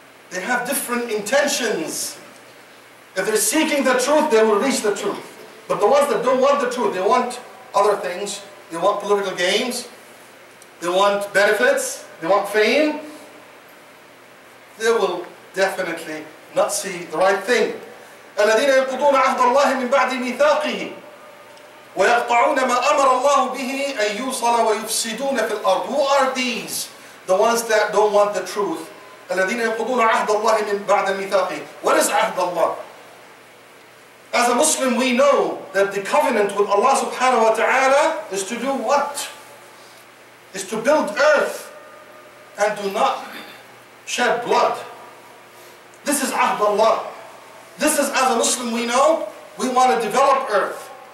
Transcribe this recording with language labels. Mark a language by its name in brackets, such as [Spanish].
[English] They have different intentions. If they're seeking the truth, they will reach the truth. But the ones that don't want the truth, they want other things. They want political gains. They want benefits. They want fame. They will definitely not see the right thing. [Arabic] الذين ينقضون عهد الله من بعد ميثاقه ويقطعون ما أمر الله به أن يوصل ويفسدون في الأرض. [English] Who are these? The ones that don't want the truth. [Arabic] الذين ينقضون عهد الله من بعد ميثاقه. [English] What is [Arabic] عهد الله? [English] As a Muslim, we know that the covenant with Allah subhanahu wa ta'ala is to do what? Is to build earth and do not shed blood. This is [Arabic] عهد الله. [English] This is, as a Muslim, we know, we want to develop earth.